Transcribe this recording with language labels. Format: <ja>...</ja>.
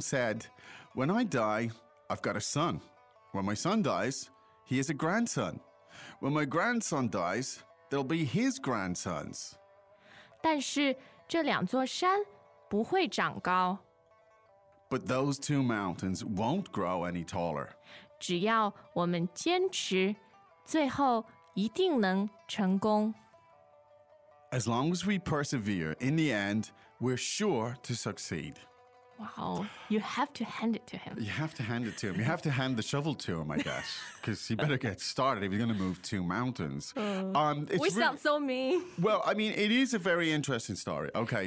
<en>said, "When I die, I've got a son. When my son dies, he has a grandson. When my grandson dies, there'll be his grandsons."</en> <zh>但是这两座山不会长高。</zh> <en>But those two mountains won't grow any taller.</en> <zh>只要我们坚持，最后一定能成功。</zh> <en>As long as we persevere, in the end, we're sure to succeed. Wow. You have to hand it to him. You have to hand it to him. You have to hand the shovel to him, I guess, because he better get started if you're going to move two mountains. It's sound so mean. Well, I mean, it is a very interesting story. Okay.</en>